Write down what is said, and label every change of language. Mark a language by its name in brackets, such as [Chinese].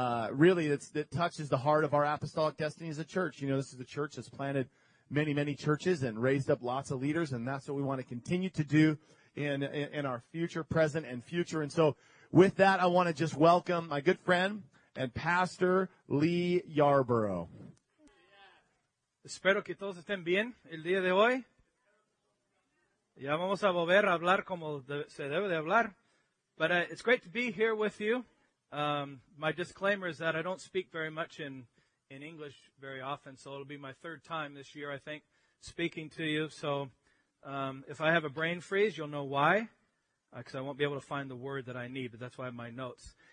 [English] Really, it touches the heart of our apostolic destiny as a church. You know, this is the church that's planted many, many churches and raised up lots of leaders, and that's what we want to continue to do in our future, present, and future. And so with that, I want to just welcome my good friend and pastor, Lee Yarbrough. [Spanish] Espero que todos estén bien el día de hoy. Ya vamos a volver a hablar como se debe de hablar. [English] But it's great to be here with you. My disclaimer is that I don't speak very much in English very often, so it'll be my third time this year, I think, speaking to you. So if I have a brain freeze, you'll know why, because I won't be able to find the word that I need, but that's why I have my notes.